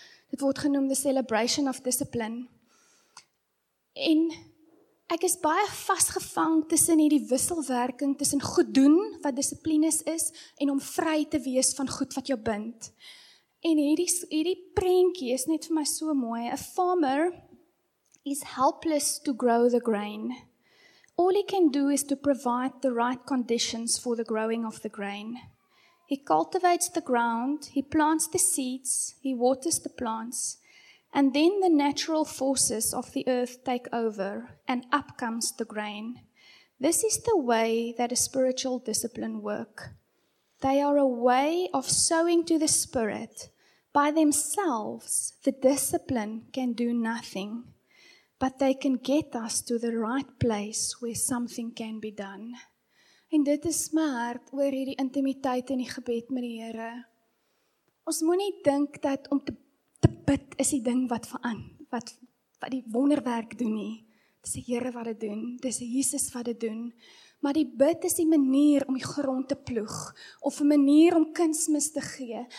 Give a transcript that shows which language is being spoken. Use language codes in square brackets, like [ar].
[af] Dit word genoem The Celebration of Discipline. En ek is baie vasgevang tussen hierdie wisselwerking, tussen goed doen, wat disciplines is, en om vry te wees van goed wat jou bind. En hierdie prentjie is net vir my so mooi. [en] A farmer is helpless to grow the grain. All he can do is to provide the right conditions for the growing of the grain. He cultivates the ground, he plants the seeds, he waters the plants, and then the natural forces of the earth take over, and up comes the grain. This is the way that a spiritual discipline works. They are a way of sowing to the spirit. By themselves, the discipline can do nothing, but they can get us to the right place where something can be done. [af] En dit is my hart oor hierdie intimiteit in die gebed met die Here. Ons moenie dink dat om te bid is die ding wat verander, wat die wonderwerk doen nie. Dis die Here wat dit doen, dis Jesus wat dit doen. Maar die bid is die manier om die grond te ploeg, of 'n manier om kunsmis te gee.